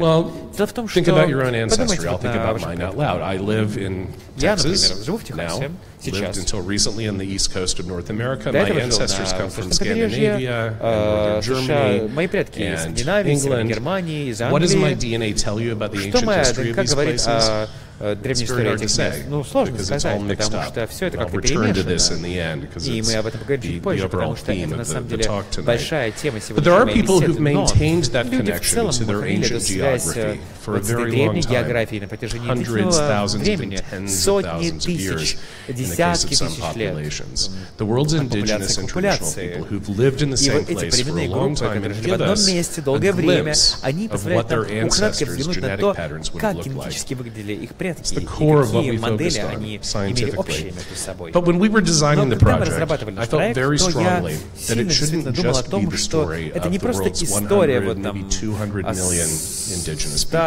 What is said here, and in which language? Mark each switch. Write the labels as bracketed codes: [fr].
[en] Well, [ru] дело в том, [en] think [ru] что... [en] about your own ancestry. I'll think about mine out loud. I live in Texas now. Lived until recently in the east coast of North America. My ancestors come from Scandinavia, Germany, and England. What does my DNA tell you about the ancient history of these places? [ru] Древней истории этих мест. Ну, сложно сказать, потому что все это как-то перемешано. И мы об этом поговорим чуть позже, потому что это, на самом деле, большая тема сегодняшней беседы. Но люди в целом сохранили эту связь с этой древней географией на протяжении тысячного времени. Сотни тысяч, десятки тысяч лет. [en] The world's indigenous and traditional people who've lived in the same place for a long time and give us a glimpse of what their ancestors' genetic patterns would have looked like. It's the core of what we focused on scientifically. But when we were designing the project, I felt very strongly that it shouldn't just be the story of the world's 100, maybe 200 million indigenous people.